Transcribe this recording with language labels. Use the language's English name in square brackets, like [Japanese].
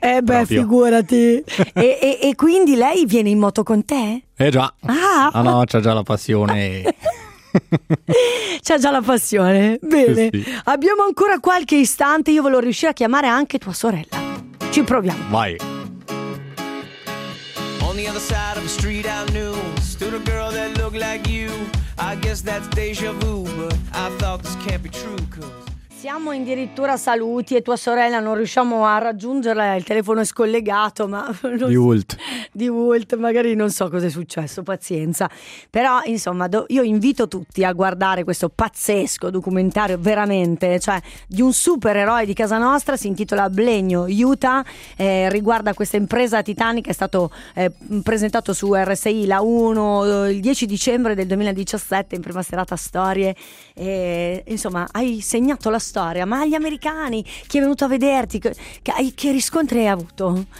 [Italian] Proprio. Figurati. e quindi lei viene in moto con te? Già. Ah. Ah no, c'ha già la passione. C'ha già la passione. Bene, sì. Abbiamo ancora qualche istante. Io volevo riuscire a chiamare anche tua sorella. Ci proviamo. Vai. [English] On the other side of the street I knew, stood a girl that looked like you. I guess that's deja vu, but I thought this can't be true, cause... [Italian] Siamo addirittura saluti e tua sorella, non riusciamo a raggiungerla, il telefono è scollegato, ma... Di Wult, magari non so cosa è successo, pazienza. Però, insomma, io invito tutti a guardare questo pazzesco documentario, veramente, cioè, di un supereroe di casa nostra, si intitola Blegno, Utah, riguarda questa impresa titanica, è stato presentato su RSI la 1 il 10 dicembre del 2017, in prima serata Storie, e, insomma, hai segnato la storia, ma gli americani, chi è venuto a vederti, che riscontri hai avuto?